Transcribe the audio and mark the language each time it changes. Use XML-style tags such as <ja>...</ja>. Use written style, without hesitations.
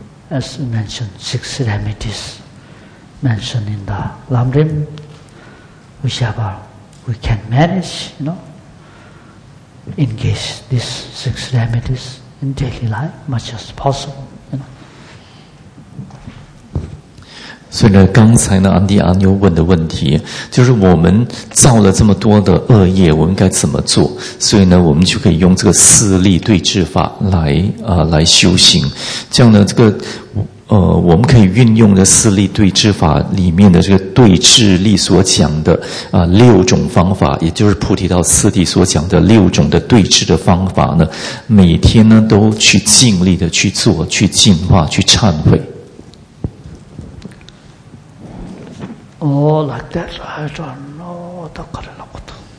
<en>as mentioned, six remedies mentioned in the Lamrim, whichever we can manage, you know, engage these six remedies in daily life much as possible.</en> <zh>所以呢，刚才呢，安迪阿妞问的问题，就是我们造了这么多的恶业，我们该怎么做？所以呢，我们就可以用这个四力对治法来来修行。这样呢，这个我们可以运用的四力对治法里面的这个对治力所讲的六种方法，也就是菩提道次第所讲的六种的对治的方法呢，每天呢都去尽力的去做，去净化，去忏悔。</zh> <en>Oh, like that, I don't know the Karana Kutu.</en>